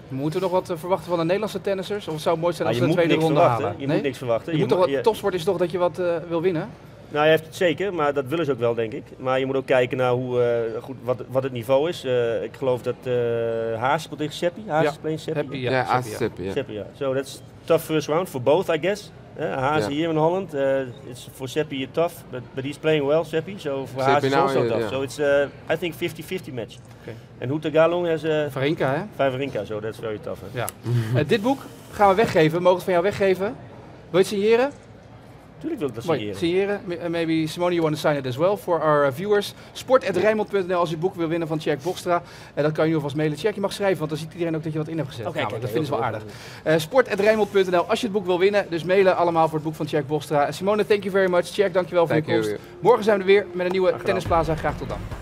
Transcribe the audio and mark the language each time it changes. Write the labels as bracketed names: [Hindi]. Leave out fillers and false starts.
[Dutch] Moeten we nog wat verwachten van de Nederlandse tennissers? Of zou het mooi zijn als we de tweede ronde halen? Je moet niks verwachten. Topsport is toch dat je wat wil winnen? Nou, je hebt het zeker, maar dat willen ze ook wel, denk ik. Maar je moet ook kijken naar wat het niveau is. Ik geloof dat Haaspel tegen Seppi. Haaspel tegen Seppi. [English] So that's tough first round for both, I guess. Haase [Dutch] hier in Holland. [English] It's for Seppi tough, but he's playing well, Seppi. So for Haase is also tough. So it's I think 50-50 match. Okay. En Houta Galung has [Dutch] Vavrinka, hè? [English] Vavrinka, so that's very tough. Yeah. [Dutch] dit boek gaan we weggeven. Mogen we van jou weggeven? Wil je het signeren? Tuurlijk wil ik dat signeren. [English] Maybe Simone, you want to sign it as well for our viewers. [Dutch] sport@rijnmond.nl als je het boek wil winnen van Jack Bokstra. En dat kan je nu alvast mailen. Jack, je mag schrijven, want dan ziet iedereen ook dat je wat in hebt gezet. Oké, okay, dat vinden ze wel aardig. sport@rijnmond.nl als je het boek wil winnen. Dus mailen allemaal voor het boek van Jack Bokstra. Simone, [English] thank you very much. [Dutch] Jack, dankjewel voor je komst. Morgen zijn we er weer met een nieuwe Tennisplaza. Graag tot dan.